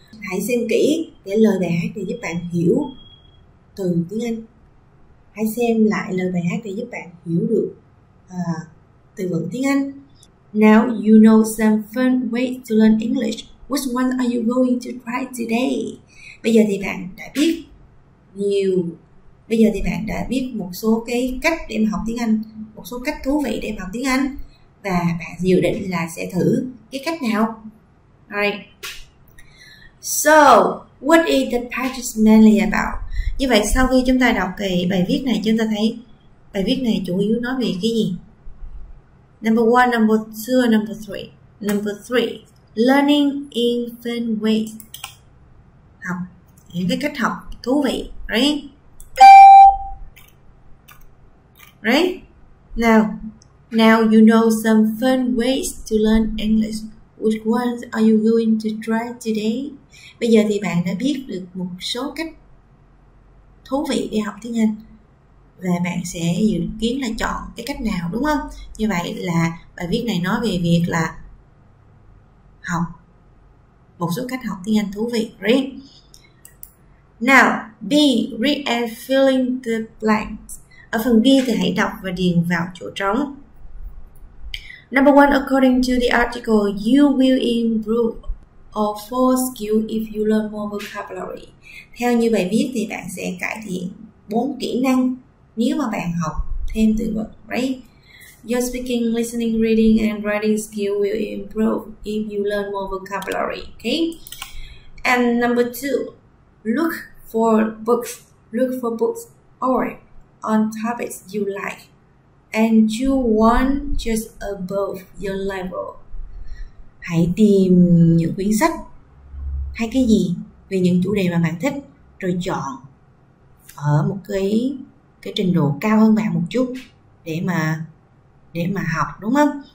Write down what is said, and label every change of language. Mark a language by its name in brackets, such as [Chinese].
[Vietnamese] Hãy xem kỹ để lời bài hát để giúp bạn hiểu từ tiếng Anh. Hãy xem lại lời bài hát để giúp bạn hiểu được từ vựng tiếng Anh. [English] Now you know some fun ways to learn English. Which one are you going to try today? [Vietnamese] Bây giờ thì bạn đã biết nhiều. Bây giờ thì bạn đã biết một số cái cách để mà học tiếng Anh, một số cách thú vị để mà học tiếng Anh, và bạn dự định là sẽ thử cái cách nào? Alright. [English] So, what is the passage mainly about? [Vietnamese] Như vậy sau khi chúng ta đọc cái bài viết này, chúng ta thấy bài viết này chủ yếu nói về cái gì? [English] Number 1, number 2, number 3. Number 3, learning in fun ways. [Vietnamese] Học những cái cách học thú vị, right? [English] Right? Now you know some fun ways to learn English. Which ones are you going to try today? [Vietnamese] Bây giờ thì bạn đã biết được một số cách thú vị để học tiếng Anh, và bạn sẽ dự kiến là chọn cái cách nào, đúng không? Như vậy là bài viết này nói về việc là học một số cách học tiếng Anh thú vị, right? [English] Now, B, read and fill in the blanks. [Vietnamese] Ở phần B thì hãy đọc và điền vào chỗ trống. [English] Number one, according to the article, you will improve or four skills if you learn more vocabulary. [Vietnamese] Theo như bài viết thì bạn sẽ cải thiện 4 kỹ năng nếu mà bạn học thêm từ vựng, right? [English] Your speaking, listening, reading and writing skill will improve if you learn more vocabulary, okay? And number two, look for books or on topics you like and choose one just above your level. [Vietnamese] Hãy tìm những quyển sách hay cái gì về những chủ đề mà bạn thích, rồi chọn ở một cái trình độ cao hơn bạn một chút để mà học, đúng không?